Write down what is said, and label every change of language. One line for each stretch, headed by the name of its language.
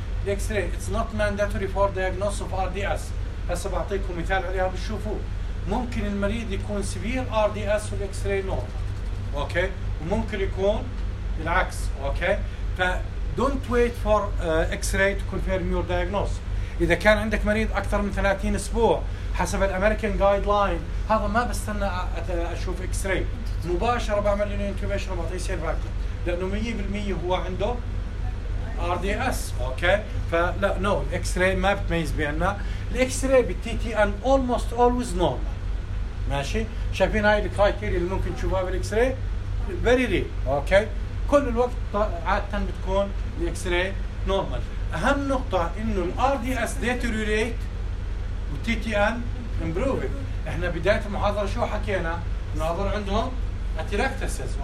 English: The X-ray it's not mandatory for diagnosis of RDS.
Arabic: بس بعطيكم مثال عليها بشوفوا. ممكن المريض يكون severe RDS وال X-ray normal.
English: Okay.
Arabic: وممكن يكون العكس. Okay. ف
English: don't wait for X-ray to confirm your diagnosis.
Arabic: إذا كان عندك مريض أكثر من 30 أسبوع حسب الأمريكان جايدلاين هذا ما بستنى أشوف X-ray مباشرة بعمل له
English: intubation
Arabic: وبعطيه سيرفاكتنت لأنه 100% هو عنده RDS. أوكي فلا نو no. X-ray ما بتميز بيننا X-ray بالTTN
English: almost always normal.
Arabic: ماشي شايفين هاي الكرايتيريا اللي ممكن تشوفها بالX-ray
English: very rare.
Arabic: أوكي كل الوقت عادة بتكون الاكس راي نورمال. اهم نقطة انه الـ
English: RDS deteriorate
Arabic: و
English: TTN improve.
Arabic: احنا بداية المحاضرة شو حكينا؟ ناظر عندهم atelectasis.